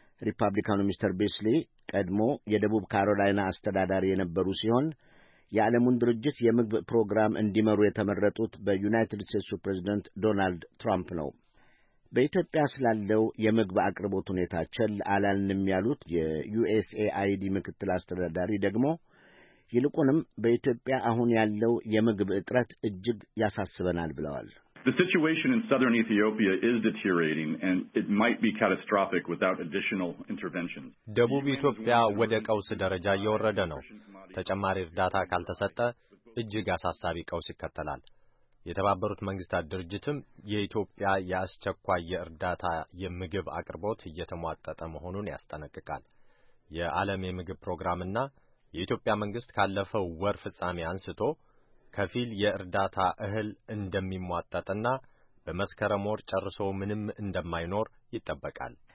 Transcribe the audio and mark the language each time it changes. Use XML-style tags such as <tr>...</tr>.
<am>ሪፐብሊካኑ ሚስተር ቢስሊ ቀድሞ የደቡብ ካሮላይና አስተዳዳሪ የነበሩ ሲሆን የዓለሙን ድርጅት የምግብ ፕሮግራም እንዲመሩ የተመረጡት በዩናይትድ ስቴትሱ ፕሬዚደንት ዶናልድ ትራምፕ ነው። በኢትዮጵያ ስላለው የምግብ አቅርቦት ሁኔታ ቸል አላልንም ያሉት የዩኤስኤአይዲ ምክትል አስተዳዳሪ ደግሞ ይልቁንም በኢትዮጵያ አሁን ያለው የምግብ እጥረት እጅግ ያሳስበናል ብለዋል።</am> <en>The situation in southern Ethiopia is deteriorating and it might be catastrophic without additional interventions.</en> <am>ደቡብ ኢትዮጵያ ወደ ቀውስ ደረጃ እየወረደ ነው። ተጨማሪ እርዳታ ካልተሰጠ እጅግ አሳሳቢ ቀውስ ይከተላል። የተባበሩት መንግስታት ድርጅትም የኢትዮጵያ ያስቸኳይ የእርዳታ የምግብ አቅርቦት እየተሟጠጠ መሆኑን ያስጠነቅቃል። የዓለም የምግብ ፕሮግራምና የኢትዮጵያ መንግስት ካለፈው ወር ፍጻሜ አንስቶ ከፊል የእርዳታ እህል እንደሚሟጠጥና በመስከረም ወር ጨርሶ ምንም እንደማይኖር ይጠበቃል።</am>